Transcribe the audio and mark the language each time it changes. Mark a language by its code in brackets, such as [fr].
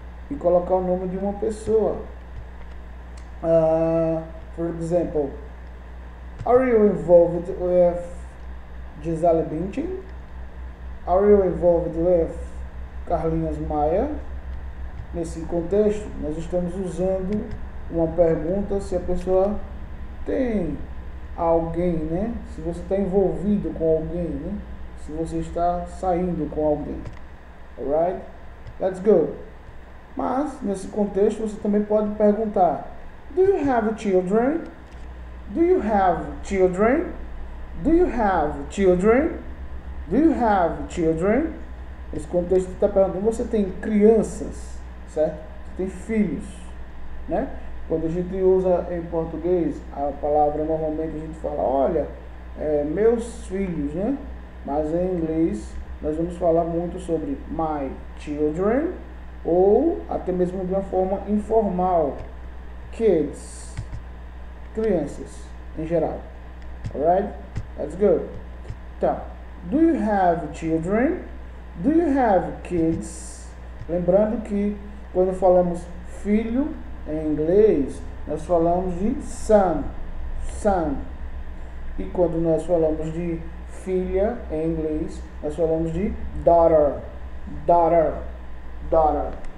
[pt] E colocar o nome de uma pessoa. [en] For example, are you involved with Gisele Bündchen? Are you involved with Carlinhos Maia. [pt] Nesse contexto, nós estamos usando uma pergunta se a pessoa tem alguém, né? Se você está envolvido com alguém, né? Se você está saindo com alguém. [en] Alright? Let's go. [pt] Mas, nesse contexto, você também pode perguntar: [en] Do you have children? Do you have children? Do you have children? Do you have children? [pt] Nesse contexto, você está perguntando: Você tem crianças? Certo? Você tem filhos, né? Quando a gente usa em português a palavra, normalmente a gente fala, olha, meus filhos, né? Mas em inglês nós vamos falar muito sobre [en] my children [pt] ou até mesmo de uma forma informal, kids, crianças em geral. [en] Alright? Let's go. Então, do you have children? Do you have kids? [pt] Lembrando que quando falamos filho em inglês, nós falamos de son, son. E quando nós falamos de filha em inglês, nós falamos de daughter, daughter, daughter.